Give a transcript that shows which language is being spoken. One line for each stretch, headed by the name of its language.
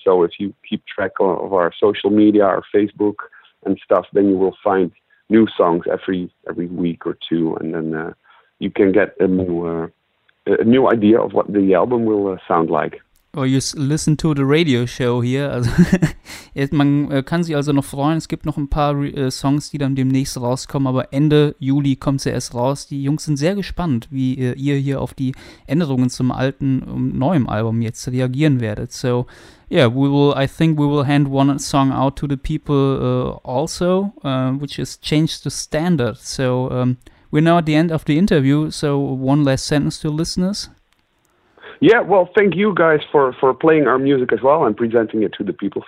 English: So if you keep track of our social media, our Facebook and stuff, then you will find new songs every week or two, and then you can get a new idea of what the album will sound like. Or you listen to the radio show here.
German: Also, man kann sich also noch freuen. Es gibt noch ein paar Songs, die dann demnächst rauskommen. Aber Ende Juli kommt sie erst raus. Die Jungs sind sehr gespannt, wie ihr hier auf die Änderungen zum alten und neuen Album jetzt reagieren werdet.
English: So, yeah, I think we will hand one song out to the people also, which is Change the Standard. So, We're now at the end of the interview, so one last sentence to listeners. Yeah, well, thank you guys for playing our music as well and presenting it to the people.